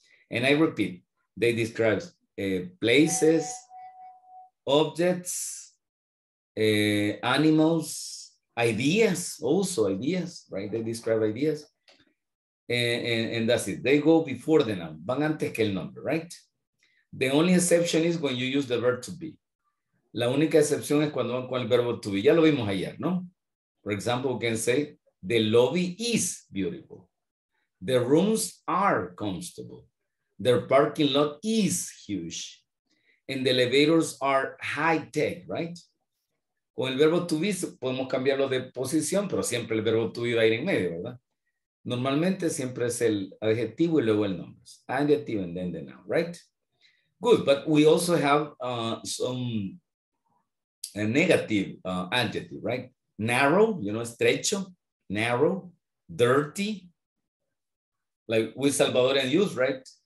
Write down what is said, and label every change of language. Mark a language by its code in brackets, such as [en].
[en] And I repeat, they describe places, objects, animals, ideas, also ideas, right? They describe ideas. And that's it. They go before the noun. [es] Van antes que el nombre, [en] right? The only exception is when you use the verb to be. [es] La única excepción es cuando van con el verbo to be. Ya lo vimos ayer, ¿no? [en] For example, we can say, the lobby is beautiful. The rooms are comfortable. Their parking lot is huge. And the elevators are high tech, right? [es] Con el verbo to be, podemos cambiarlo de posición, pero siempre el verbo to be va a ir en medio, ¿verdad? Normalmente siempre es el adjetivo y luego el nombre. [en] Adjective and then the noun, right? Good, but we also have a negative adjective, right? Narrow, you know, estrecho. Narrow, dirty, like we Salvadorian use, right?